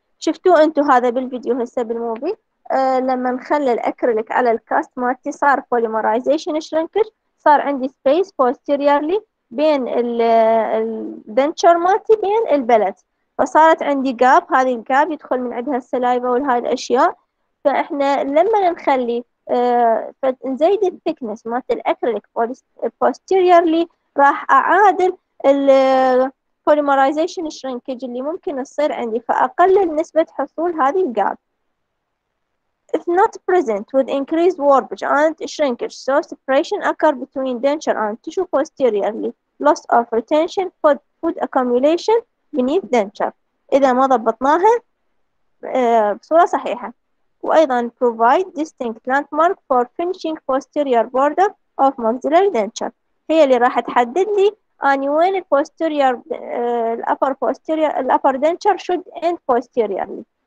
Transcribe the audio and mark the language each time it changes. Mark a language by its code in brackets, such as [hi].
[ar] شفتوا انتم هذا بالفيديو هسه بالموفي لما نخلي الاكريليك على الكاست مالتي صار بوليمرايزيشن شرنكج، صار عندي سبيس بوستيريرلي بين الدنتشر مالتي بين البلت، فصارت عندي جاب، هذه الجاب يدخل من عندها السلايفا وهاي الاشياء. فاحنا لما نخلي نزيد الثيكنس مالت الاكريليك بوستيريرلي راح اعادل البوليمرايزيشن شرنكج اللي ممكن تصير عندي، فاقلل نسبه حصول هذه الجاب. [en] If not present with increased warpage and shrinkage, so separation occur between denture and tissue posteriorly, loss of retention for food accumulation beneath denture. [ar] إذا ما ضبطناها بصورة صحيحة. وأيضا [en] provide distinct landmark for finishing posterior border of maxillary denture. [ar] هي اللي راح تحدد لي أني وين ال posterior ال upper posterior ال [en] upper denture should end posteriorly.